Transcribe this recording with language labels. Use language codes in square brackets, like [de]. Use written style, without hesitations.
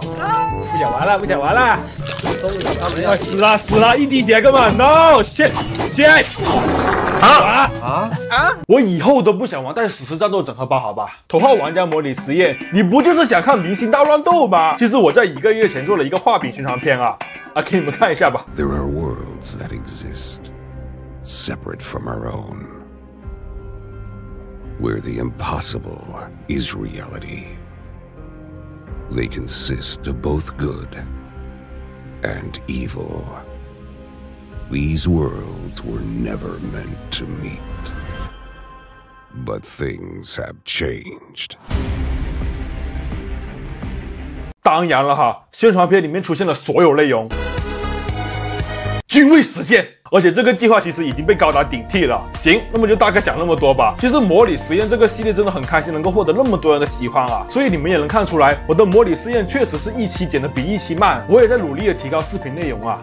[zh] 不讲完了，不讲完了，死了死了，一滴血，哥们 ， No， shit， shit。我以后都不想玩带史诗战斗整合包，好吧？头号玩家模拟实验，你不就是想看明星大乱斗吗？其实我在一个月前做了一个画饼宣传片啊，啊，给你们看一下吧。 [en] There are worlds that exist separate from our own, where the impossible is reality. They consist of both good and evil. These worlds were never meant to meet. But things have changed. [zh] 当然了哈，宣传片里面出现了所有内容均未实现，而且这个计划其实已经被高达顶替了。行，那么就大概讲那么多吧。其实模拟实验这个系列真的很开心能够获得那么多人的喜欢啊，所以你们也能看出来我的模拟实验确实是一期剪的比一期慢，我也在努力的提高视频内容啊。